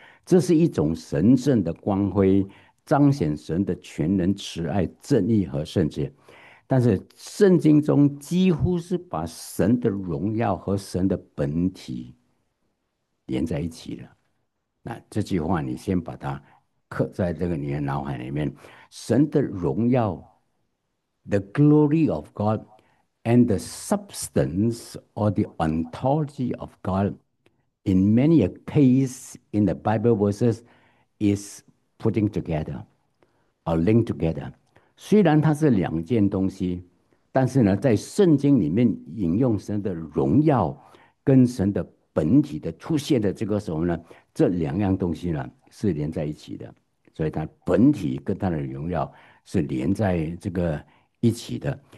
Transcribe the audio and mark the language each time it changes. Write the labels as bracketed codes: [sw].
[zh] 这是一种神圣的光辉，彰显神的全能、慈爱、正义和圣洁。但是，圣经中几乎是把神的荣耀和神的本体连在一起的。那这句话，你先把它刻在这个你的脑海里面：神的荣耀。 [en] The glory of God and the substance or the ontology of God in many a case in the Bible verses is putting together or linked together. [zh] 虽然它是两件东西，但是呢，在圣经里面引用神的荣耀跟神的本体的出现的这个时候呢，这两样东西呢是连在一起的，所以它本体跟它的荣耀是连在这个。一起的，